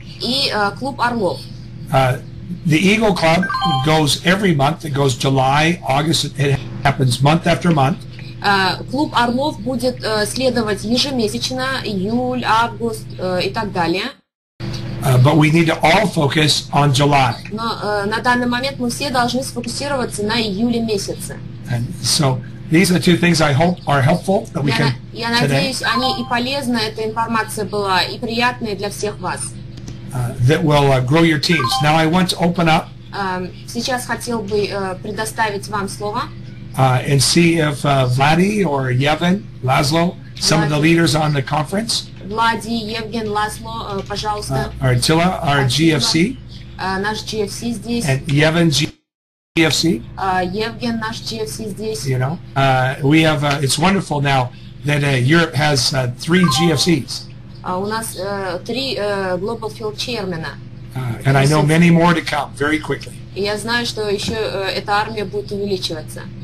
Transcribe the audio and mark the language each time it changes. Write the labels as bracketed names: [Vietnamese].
[Russian] И клуб орлов. [English] The Eagle Club goes every month. It goes July, August. It happens month after month. [Russian] Клуб орлов будет следовать ежемесячно, июль, август и так далее. [English] But we need to all focus on July. [Russian] Но на данный момент мы все должны сфокусироваться на июле месяце. [English] And so these are 2 things I hope are helpful that we can today. [Russian] Я надеюсь, они и полезна эта информация была и приятная для всех вас. [English] That will grow your teams. Now I want to open up. [Russian] Сейчас хотел бы предоставить вам слово. [English] And see if Vladi or Yevhen, Laszlo, some of the leaders on the conference. [Russian] Влади, Евген, Ласло, пожалуйста. [English] Артила, our GFC. [Russian] Наш GFC здесь. [English] And Yevhen, GFC. [Russian] Евген, наш GFC здесь. [English] You know, we have. It's wonderful now that Europe has 3 GFCs. [Russian] У нас 3 Global Field Chairmana. [English] And I know many more to come very quickly. [Russian] Я знаю, что еще эта армия будет увеличиваться.